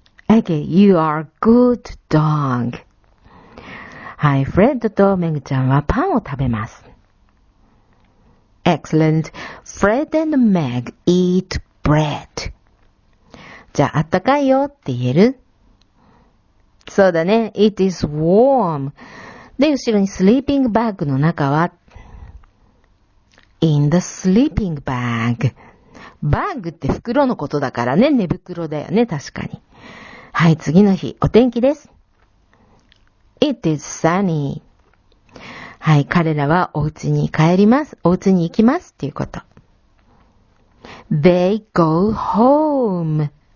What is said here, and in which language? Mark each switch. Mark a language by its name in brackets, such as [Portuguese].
[English] Okay, you are a good dog. [Japanese] はい、フレッドとめぐちゃんはパンを食べます。 [English] Excellent. Fred and Meg eat bread. [Japanese] じゃあ、あったかいよって言える？そうだね。 [English] It is warm. [Japanese] で、後ろに sleeping bag の中は ? [English] in the sleeping bag. [Japanese] バッグって袋のことだからね。寝袋だよね。確かに。はい、次の日、お天気です。 [English] It is sunny. [Japanese] はい、彼らはお家に帰ります。お家に行きますっていうこと。 [English] They go home.